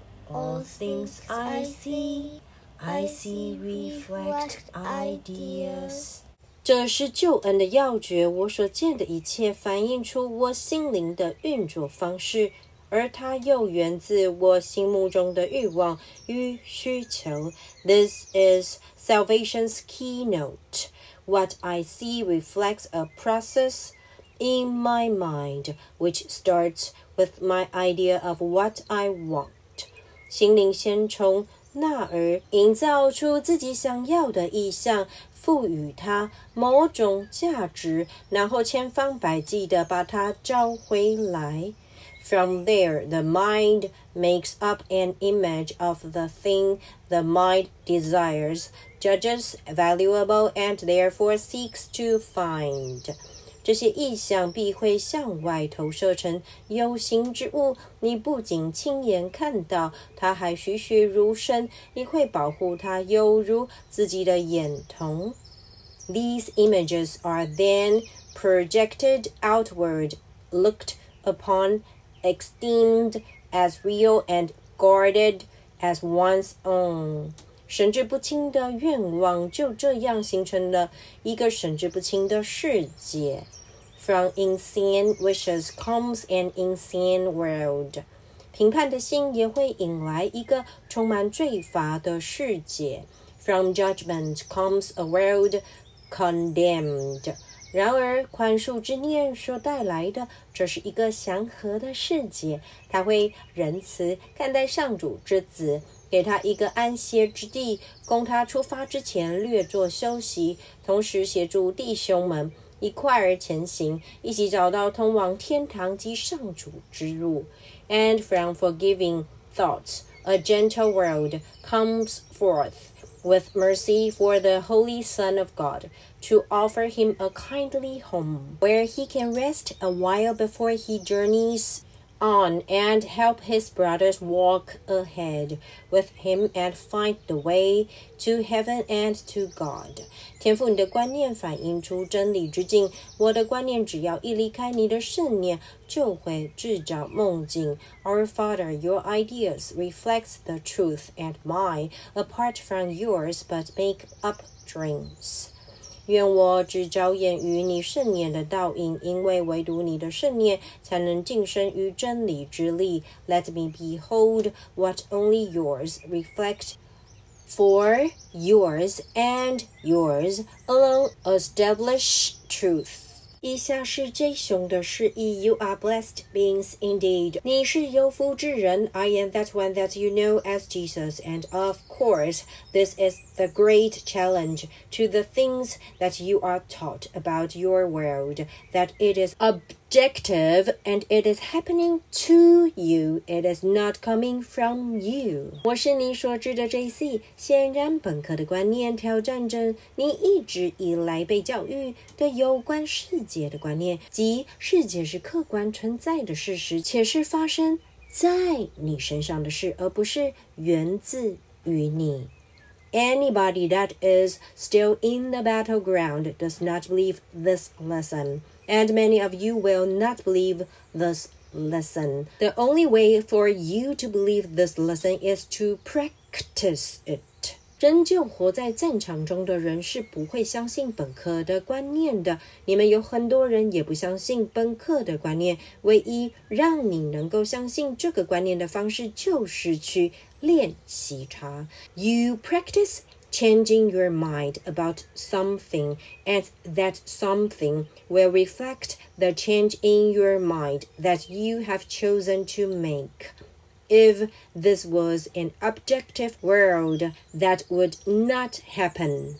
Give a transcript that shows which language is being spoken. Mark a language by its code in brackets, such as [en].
[en] All things I see reflect ideas。 [zh] 这是救恩的要诀，我所见的一切反映出我心灵的运作方式，而它又源自我心目中的欲望与需求。 [en] This is salvation's keynote. What I see reflects a process in my mind, which starts with my idea of what I want. [zh] 心灵先从那儿营造出自己想要的意象，赋予它某种价值，然后千方百计地把它召回来。 [en] From there, the mind makes up an image of the thing the mind desires, judges valuable, and therefore seeks to find. [zh] 这些意象必会向外投射成有形之物，你不仅亲眼看到它还栩栩如生，你会保护它犹如自己的眼瞳。 [en] These images are then projected outward, looked upon, esteemed as real, and guarded as one's own. [zh] 神志不清的愿望就这样形成了一个神志不清的世界。 [en] From insane wishes comes an insane world. [zh] 评判的心也会引来一个充满罪罚的世界。 [en] From judgment comes a world condemned. [zh] 然而宽恕之念所带来的这是一个祥和的世界，他会仁慈看待上主之子，给他一个安歇之地，供他出发之前略作休息，同时协助弟兄们一块儿前行，一起找到通往天堂及上主之路。 [en] And from forgiving thoughts, a gentle world comes forth with mercy for the Holy Son of God to offer him a kindly home where he can rest a while before he journeys on and help his brothers walk ahead with him and find the way to heaven and to God. [zh] 天父，你的观念反映出真理之境，我的观念只要一离开你的圣念就会制造梦境。 [en] Our Father, your ideas reflect the truth and mine apart from yours but make up dreams. [zh] 愿我只着眼于你圣念的倒影，因为唯独你的圣念才能晋升于真理之力。 [en] Let me behold what only yours reflect for yours and yours alone establish truth. [zh] 以下是最雄的示意。 [en] You are blessed beings indeed. [zh] 你是有福之人。 [en] I am that one that you know as Jesus. And of course, this is the great challenge to the things that you are taught about your world, that it is objective and it is happening to you. It is not coming from you. [zh] 我是你所知的 JC, 显然本科的观念挑战着你一直以来被教育的有关世界的观念，即世界是客观存在的事实，且是发生在你身上的事，而不是源自于你。 [en] Anybody that is still in the battleground does not believe this lesson, and many of you will not believe this lesson. The only way for you to believe this lesson is to practice it. [zh] 真正活在战场中的人是不会相信本科的观念的，你们有很多人也不相信本科的观念，唯一让你能够相信这个观念的方式就是去练习它。 [en] You practice Changing your mind about something and that something will reflect the change in your mind that you have chosen to make. If this was an objective world, that would not happen.